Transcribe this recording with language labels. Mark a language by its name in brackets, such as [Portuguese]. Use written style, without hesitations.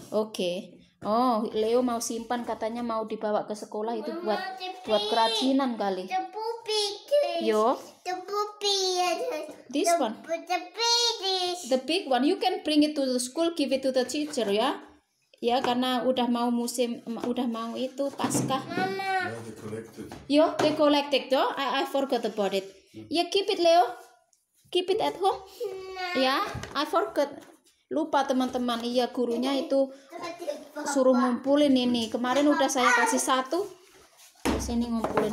[Indonesian] Okay. Oh, Leo mau simpan, katanya mau dibawa ke sekolah itu buat kerajinan kali. [English] The puppy. Yo. The puppy. This the, one. The big one. The big one. You can bring it to the school, give it to the teacher, ya. [Indonesian] Ya, karena udah mau itu Paskah. Mama. [English] Yo, they collected though. I forgot about it. Yeah, keep it, Leo. Keep it at home. [Indonesian] Ya, [English] yeah, I forgot. [Indonesian] Lupa, teman-teman. Iya, gurunya itu suruh ngumpulin ini. Kemarin udah saya kasih satu. Terus ini ngumpulin